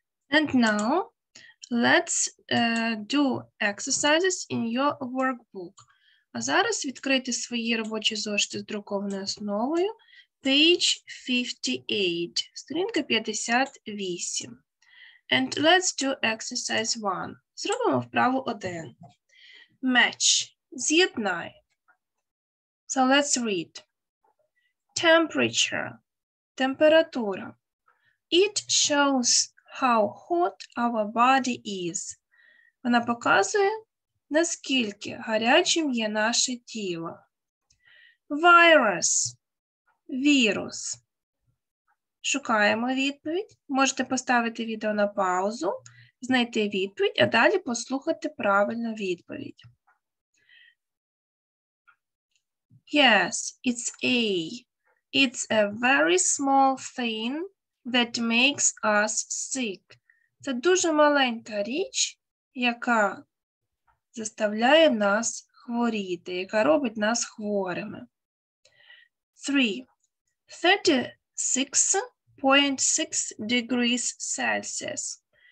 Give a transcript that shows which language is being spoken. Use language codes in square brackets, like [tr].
[en] And now, let's do exercises in your workbook. [uk] А зараз відкрити свої робочі зошити з друкованою основою. [en] Page 58, [uk] сторінка 58. [en] And let's do exercise 1. [uk] Зробимо вправу 1. [en] Match. [uk] З'єднай. [en] So let's read. Temperature. [uk] Температура. [en] It shows how hot our body is. [uk] Вона показує, наскільки гарячим є наше тіло. Virus. Вірус. Шукаємо відповідь. Можете поставити відео на паузу, знайти відповідь, а далі послухати правильну відповідь. [en] Yes, it's A. It's a very small thing that makes us sick. [uk] Це дуже маленька річ, яка заставляє нас хворіти, яка робить нас хворими. [en] 3. 36.6 degrees Celsius.